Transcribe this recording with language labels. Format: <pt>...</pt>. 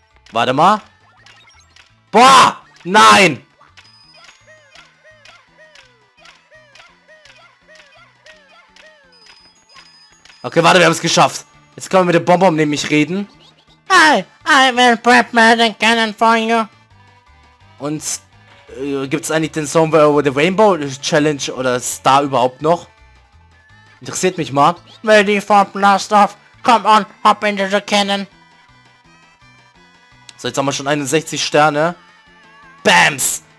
<de>Warte mal. Boah! Nein! Okay, warte, wir haben es geschafft. Jetzt können wir mit dem Bonbon nämlich reden.</de> <en>Hi, I will prep the cannon for you.</en> <de>Und gibt es eigentlich den Somewhere Over the Rainbow Challenge oder Star überhaupt noch? Interessiert mich mal.</de> <en>Ready for blast off. Come on, hop into the cannon.</en> <de>So, jetzt haben wir schon 61 Sterne. Bams!</de>